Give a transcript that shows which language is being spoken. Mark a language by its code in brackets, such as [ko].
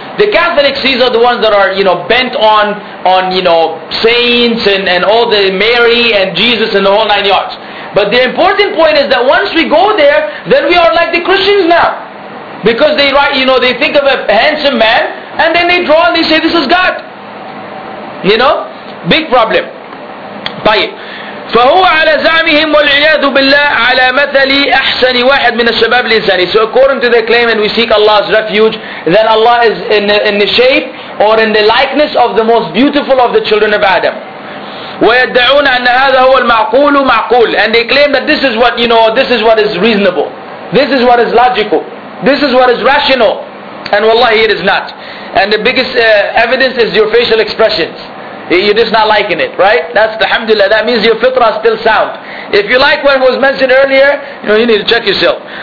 [en] The Catholics, these are the ones that are, you know, bent on you know, saints and all the Mary and Jesus and the whole nine yards. But the important point is that once we go there, then we are like the Christians now. Because they write, you know, they think of a handsome man and then they draw and they say this is God. You know? Big problem. طيب. [ar] فهو على زعمهم والعياذ بالله على مثل أحسن واحد من الشباب الإنسان. [en] So according to the claim and we seek Allah's refuge, then Allah is in the shape or in the likeness of the most beautiful of the children of Adam. [ar] ويدعون أن هذا هو المعقول معقول. [en] And they claim that this is what, you know, this is what is reasonable. This is what is logical. This is what is rational. And wallahi it is not. And the biggest evidence is your facial expressions. You're just not liking it, right? That's the alhamdulillah. That means your fitrah is still sound. If you like what was mentioned earlier, you know, you need to check yourself.